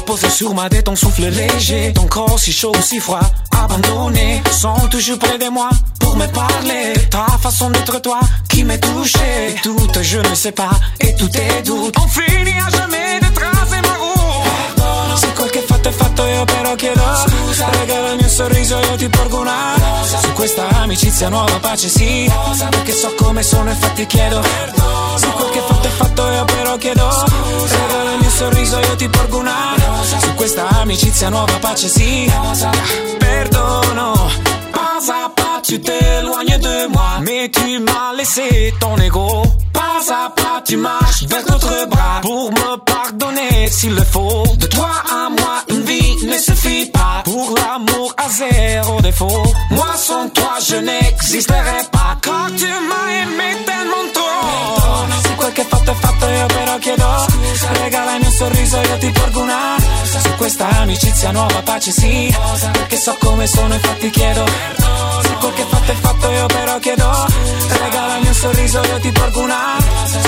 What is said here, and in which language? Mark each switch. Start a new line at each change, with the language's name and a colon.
French: Sur ma tête, ton souffle léger. Ton corps si chaud, si froid, abandonné. Sont toujours près de moi pour me parler. Ta façon d'être toi qui m'est touché. Et tout, je ne sais pas, et tout est doute. On finit à jamais de tracer ma route.
Italian: Se quel che fatto è fatto, io però chiedo scusa. Regala il mio sorriso, io ti porgo una rosa. Su questa amicizia nuova pace sì, rosa. Perché so come sono, infatti chiedo perdono. Se quel che fatto è fatto, io però chiedo scusa. Regala il mio sorriso, io ti porgo una rosa. Su questa amicizia nuova pace sì, rosa. Perdono.
French: Pas à pas, tu t'éloignes de moi. Mais tu m'as laissé ton ego. Pas à pas, tu marches vers d'autres bras. Pour me pardonner s'il le faut. De toi à moi, une vie ne suffit pas. Pour l'amour à zéro défaut. Moi sans toi, je n'existerai pas. Car tu m'as aimé tellement trop.
Italian: Si quel che fatto è fatto, io però chiedo scusa. Regala il mio sorriso, io ti porgo una rosa. Su questa amicizia nuova pace sì, rosa. Perché so come sono, infatti chiedo perdono. Se quel che fatto è fatto, io però chiedo scusa. Regala il mio sorriso, io ti porgo una rosa.